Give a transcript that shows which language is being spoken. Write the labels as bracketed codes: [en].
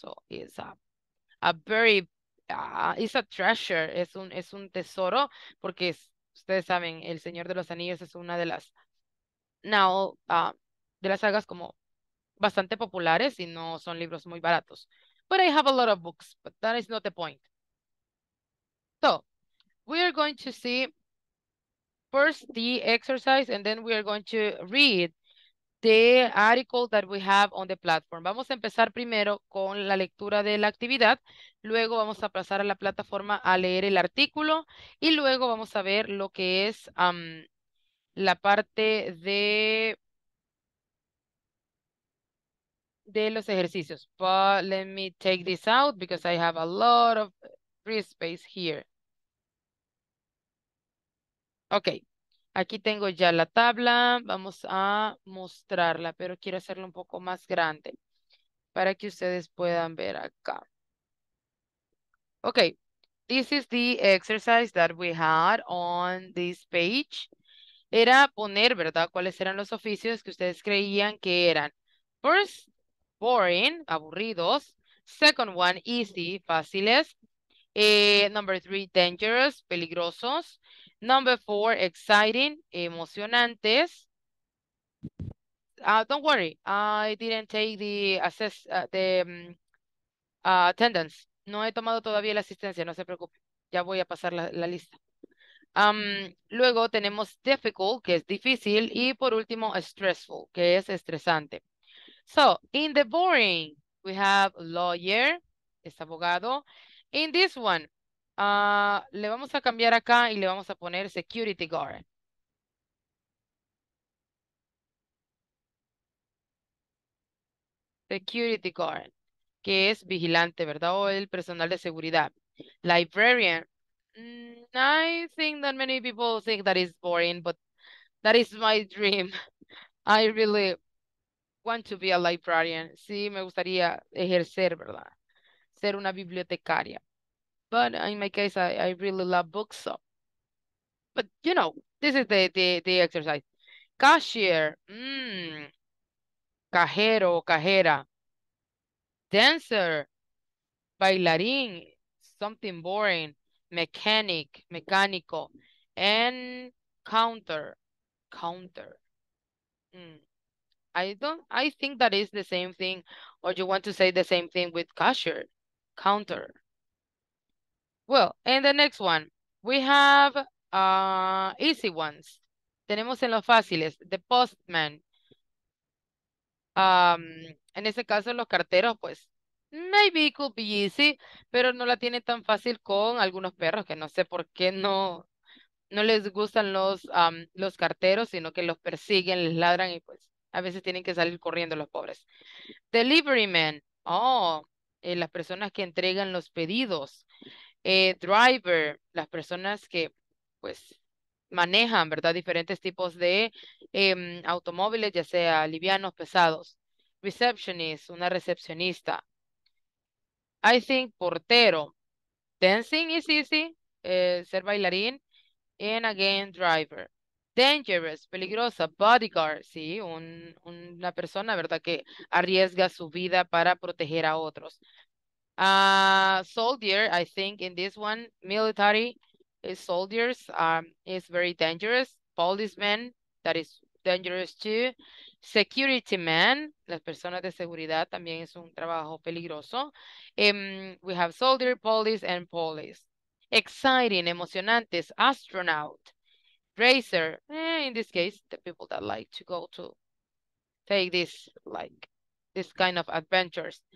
[en] So it's it's a treasure. [es] Es un tesoro, porque ustedes saben, El Señor de los Anillos es una de las de las sagas como bastante populares y no son libros muy baratos. [en] But I have a lot of books, but that is not the point. So, we are going to see first the exercise and then we are going to read the article that we have on the platform. [es] Vamos a empezar primero con la lectura de la actividad, luego vamos a pasar a la plataforma a leer el artículo y luego vamos a ver lo que es la parte de los ejercicios. [en] But let me take this out because I have a lot of free space here. Okay. [es] Aquí tengo ya la tabla, vamos a mostrarla, pero quiero hacerlo un poco más grande para que ustedes puedan ver acá. [en] Okay, this is the exercise that we had on this page. [es] Era poner, ¿verdad?, cuáles eran los oficios que ustedes creían que eran. [en] First, boring, aburridos. Second one, easy, fáciles. Number three, dangerous, peligrosos. Number four, exciting, emocionantes. Don't worry, I didn't take the attendance. [es] No he tomado todavía la asistencia, no se preocupe. Ya voy a pasar la lista. Luego tenemos difficult, que es difícil. Y por último, stressful, que es estresante. [en] So, in the boring, we have lawyer, [es] es abogado. [en] In this one, [es] le vamos a cambiar acá y le vamos a poner security guard. Security guard, que es vigilante, ¿verdad? O el personal de seguridad. [en] Librarian. I think that many people think that is boring, but that is my dream. I really want to be a librarian. [es] Sí, me gustaría ejercer, ¿verdad? Ser una bibliotecaria. [en] But in my case, I really love books. So. But, you know, this is the exercise. Cashier. [es] Cajero, cajera. Dancer. Bailarín. [en] Something boring. Mechanic, mecánico. And counter. counter. I think that is the same thing, or you want to say the same thing with cashier, counter. Well, in the next one, we have easy ones. [es] Tenemos en los fáciles, the postman. En ese caso, los carteros, pues, [en] maybe it could be easy, [es] pero no la tiene tan fácil con algunos perros que no sé por qué no les gustan los carteros, sino que los persiguen, les ladran y pues a veces tienen que salir corriendo los pobres. Delivery men, las personas que entregan los pedidos. Driver, las personas que pues manejan, ¿verdad? Diferentes tipos de automóviles, ya sea livianos, pesados. Receptionist, una recepcionista. [en] I think [es] portero. [en] Dancing is easy, [es] ser bailarín. [en] And again, driver. [es] Dangerous, peligrosa. Bodyguard, sí, una persona, ¿verdad?, que arriesga su vida para proteger a otros. [en] Soldier, I think in this one, military soldiers is very dangerous. Policeman, that is dangerous too. [es] Security man, las personas de seguridad también es un trabajo peligroso. [en] We have soldier, police, and police. Exciting, emocionantes, astronaut, racer, in this case, the people that like to go to take this, like, this kind of adventures.